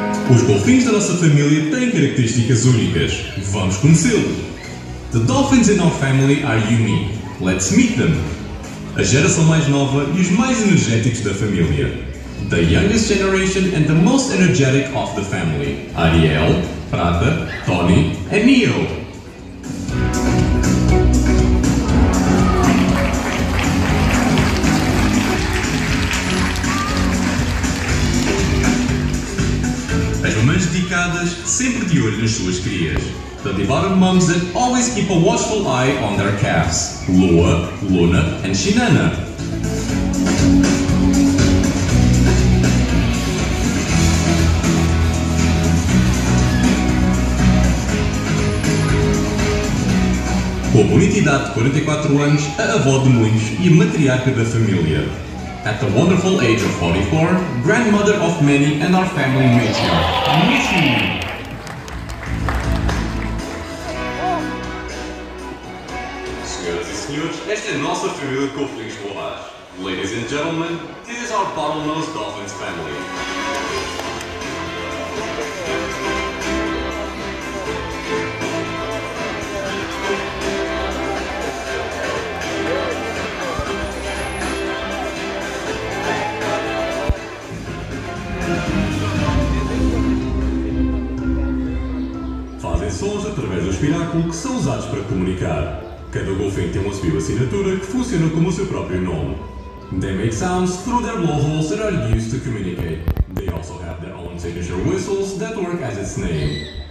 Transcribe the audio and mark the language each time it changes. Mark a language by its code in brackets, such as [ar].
[pt] Os golfinhos da nossa família têm características únicas. Vamos conhecê-los! [en] The dolphins in our family are unique. Let's meet them! [pt] A geração mais nova e os mais energéticos da família. [en] The youngest generation and the most energetic of the family. Ariel, Prata, Tony and Neo. [pt] Dedicadas, sempre de olho nas suas crias. [en] The devoted moms that always keep a watchful eye on their calves. Lua, Luna and Shinana. [pt] Com a bonita idade de 44 anos, a avó de muitos e a matriarca da família. [en] At the wonderful age of 44, grandmother of many and our family matriarch, Missy! [pt] Senhoras e senhores, esta é a nossa família de golfinhos rois. [en] Ladies and gentlemen, this is our bottlenose dolphins family. [pt] Sons através do espiráculo que são usados para comunicar. Cada golfinho tem uma sua assinatura que funciona como o seu próprio nome. [en] They make sounds through their blowholes that are used to communicate. They also have their own signature whistles that work as its name.